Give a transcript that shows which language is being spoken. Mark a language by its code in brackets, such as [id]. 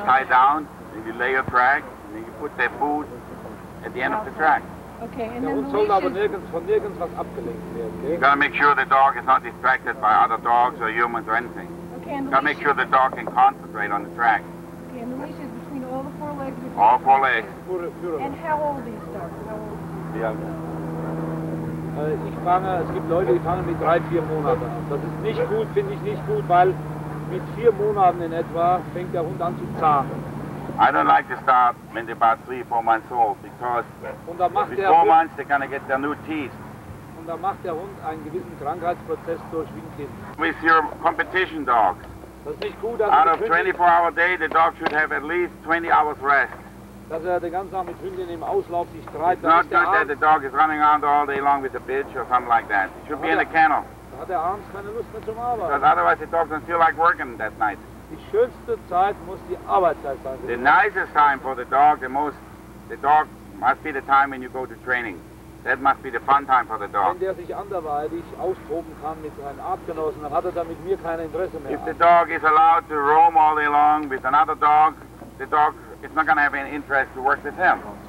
[en] tied down, and you lay a track, and then you put that food at the end of the track. Okay, and then the leash is... You gotta make sure the dog is not distracted by other dogs or humans or anything. Okay, you gotta make sure the dog can concentrate on the track. Okay, and the leash is between all the four legs? All four legs. And how old is the dog? [de] Es gibt Leute, die fangen mit 3-4 Monaten an. Das ist nicht gut, finde ich nicht gut, weil mit 4 Monaten in etwa fängt der Hund an zu zahnen. [en] I don't like to start when they're about 3 or 4 months old, because [de] und dann macht [en] every 4 months they're going to get their new teeth. [de] Und dann macht der Hund einen gewissen Krankheitsprozess durch wie ein Kind. [en] With your competition dog. [de] Das ist nicht gut, [en] out of 24 hour day, the dog should have at least 20 hours rest. [de] Dass er den ganzen Tag mit Hündin im Auslauf sich treibt. [en] It's not good that the dog is running around all day long with a bitch or something like that. It should be in the kennel. [de] Da hat er abends keine Lust mehr zum Arbeiten. [en] Because otherwise the dog doesn't feel like working that night. [de] Die schönste Zeit muss die Arbeitszeit sein. [en] The nicest time for the dog, the most, the dog must be the time when you go to training. That must be the fun time for the dog. [de] Wenn der sich anderweitig austoben kann mit seinen Artgenossen, dann hat er dann mit mir kein Interesse mehr. [en] If the dog is allowed to roam all day long with another dog, the dog is not going to have any interest to work with him.